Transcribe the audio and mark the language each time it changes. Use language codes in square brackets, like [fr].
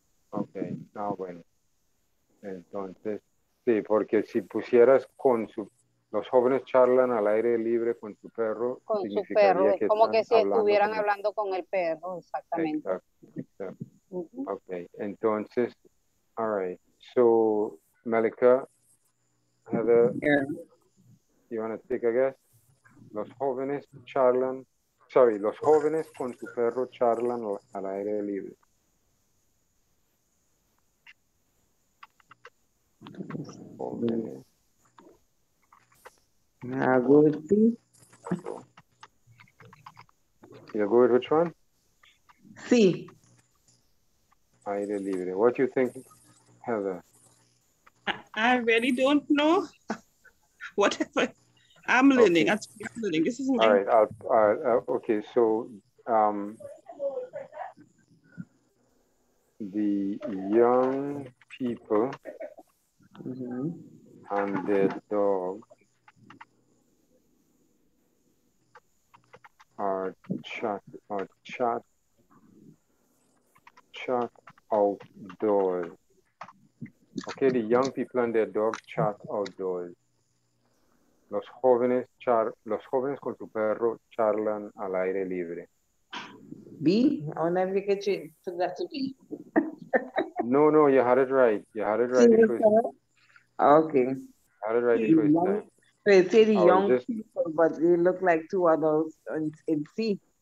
[es] Ok, bueno. Entonces, sí, porque si pusieras con su... Los jóvenes charlan al aire libre con su perro. Con su perro, como que si estuvieran hablando con el perro, exactamente. Exacto. Uh-huh. Ok, entonces, [en] all right. So, Malika, Heather, you want to take a guess? [es] Los jóvenes con su perro charlan al aire libre. [en] I'll go with B. You'll go with which one? C. [es] Aire libre. [en] What do you think, Heather? I really don't know. Whatever. I'm learning. Okay. I'm learning. This is all right. Okay. So, the young people mm-hmm. and their dog are chat outdoors. Okay, the young people and their dog chat outdoors. [es] Los jóvenes con su perro charlan al aire libre. [en] B? I wonder if you put that to B. No, no, you had it right. You had it right. Okay. You had it right the first time. They say the young people, but they look like two adults in C.